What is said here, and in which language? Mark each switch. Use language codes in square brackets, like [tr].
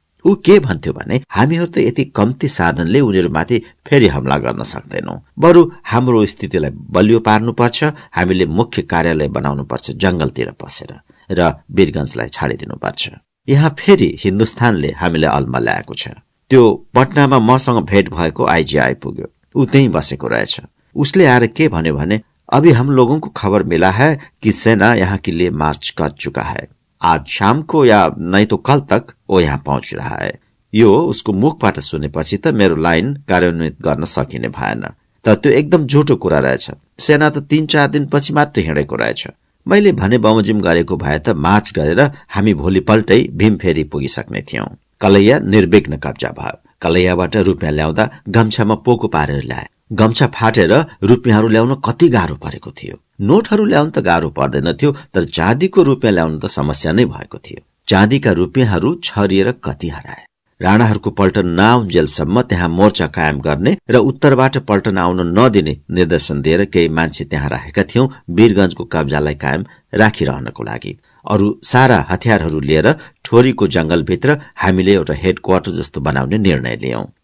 [ne] ऊ के भन्थ्यो भने हामीहरू त यति कम्ती साधनले उनीहरूमाथि फेरि हमला गर्न सक्दैनौ, बरु हाम्रो स्थितिलाई बलियो पार्नुपर्छ, हामीले मुख्य कार्यालय बनाउनुपर्छ जंगलतिर पसेर र वीरगंजलाई छाडिदिनुपर्छ। यहाँ फेरि हिन्दुस्तानले हामीलाई अल्मा ल्याएको छ। त्यो पटनामा मसँग भेट भएको आइजी आइपुग्यो, ऊ त्यही बसेको रहेछ। उसले आएर के भन्यो भने [hi] अभी हम लोगों को खबर मिला है कि सेना यहाँ के लिए मार्च कर चुका है, आज शाम को या नहीं तो कल तक वो यहाँ पहुंच रहा है। [ne] यो उसको मुखबाट सुनेपछि त मेरो लाइन कार्यान्वित गर्न सकिने भएन, तर त्यो एकदम झुटो कुरा रहेछ। सेना त 3-4 दिनपछि मात्र हिँडेको रहेछ। मैले भने बमोजिम गरेको भए त मार्च गरेर हामी भोलिपल्टै भीमफेरी पुगिसक्ने थियौं। कलैया निर्विघ्न कब्जा भयो। कलैयाबाट रुपियाँ ल्याउँदा गम्छामा पोको पारेर ल्याए। गम्छा फाटेर रुपियाँहरू ल्याउन कति गाह्रो परेको थियो। नोटहरू ल्याउन त गाह्रो पर्दैनथ्यो, तर चाँदीको रुपियाँ ल्याउन त समस्या नै भएको थियो। चाँदीका रुपियाँहरू छरिएर कति हराए। राणाहरूको पल्टन नआउन्जेलसम्म त्यहाँ मोर्चा कायम गर्ने र उत्तरबाट पल्टन आउन नदिने निर्देशन दिएर केही मान्छे त्यहाँ राखेका थियौं वीरगंजको कब्जालाई कायम राखिरहनको लागि। अरू सारा हतियारहरू लिएर ठोरीको जंगलभित्र हामीले एउटा हेडक्वार्टर जस्तो बनाउने निर्णय लियौं।